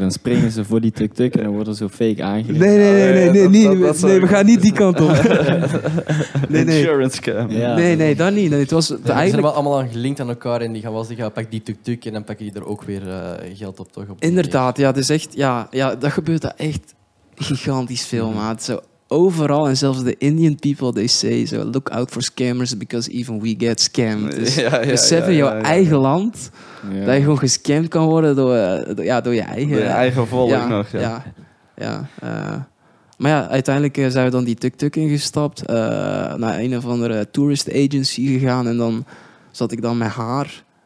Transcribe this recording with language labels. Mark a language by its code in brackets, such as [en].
[nl] Dan springen ze voor die tuk-tuk en dan worden ze zo fake aangereden. Nee, we gaan niet die kant op. [en] Insurance scam. [nl] Nee, dat niet. Het was eigenlijk... Ze zijn wel allemaal aan gelinkt aan elkaar en die gaan wel zeggen, pak die tuk-tuk en dan pakken die er ook weer geld op. Toch? Op inderdaad, ja, dus echt, ja, dat gebeurt dat echt gigantisch veel, maat. Zo overal en zelfs de [en] Indian people, they say, so look out for scammers because even we get scammed. [nl] Dus besef in jouw eigen land dat je gewoon gescamd kan worden door je eigen... Door je eigen volk nog. Ja. Ja. Maar ja, uiteindelijk zijn we dan die tuk-tuk ingestapt, naar een of andere tourist agency gegaan en dan zat ik dan met haar.